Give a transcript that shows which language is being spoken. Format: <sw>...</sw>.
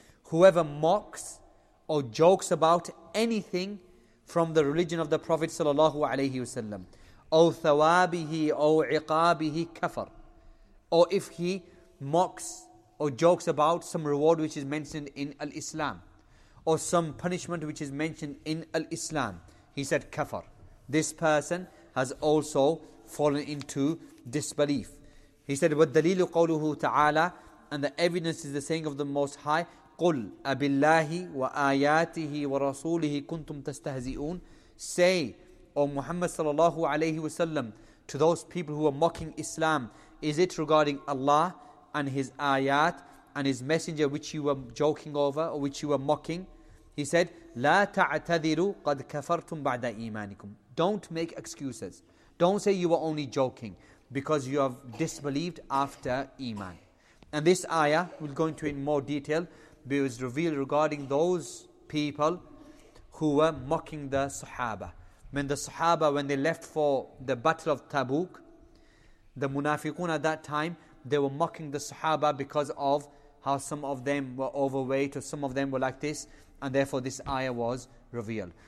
<en>Whoever mocks or jokes about anything from the religion of the Prophet sallallahu alayhi wasallam,</en> <ar>أو ثوابه أو عقابه كفر.</ar> <en>Or if he mocks or jokes about some reward which is mentioned in Al-Islam, or some punishment which is mentioned in Al-Islam, he said kafar. This person has also fallen into disbelief. He said,</en> <ar>وَالدَّلِيلُ قَوْلُهُ تَعَالَى.</ar> <en>And the evidence is the saying of the Most High,</en> <ar>قُلْ أَبِاللَّهِ وَآيَاتِهِ وَرَسُولِهِ كُنْتُمْ تَسْتَهْزِئُونَ.</ar> <en>Say, O Muhammad sallallahu alayhi wa sallam, to those people who are mocking Islam, is it regarding Allah and His ayat and His messenger which you were joking over or which you were mocking? He said,</en> <ar>لَا تَعْتَذِرُوا قَدْ كَفَرْتُمْ بَعْدَ إِيمَانِكُمْ.</ar> <en>Don't make excuses. Don't say you were only joking because you have disbelieved after Iman. And this ayah, we'll go into it in more detail, but it was revealed regarding those people who were mocking the Sahaba. when the Sahaba, when they left for the Battle of Tabuk, the Munafiqun at that time, they were mocking the Sahaba because of how some of them were overweight or some of them were like this, and therefore this ayah was revealed.</en>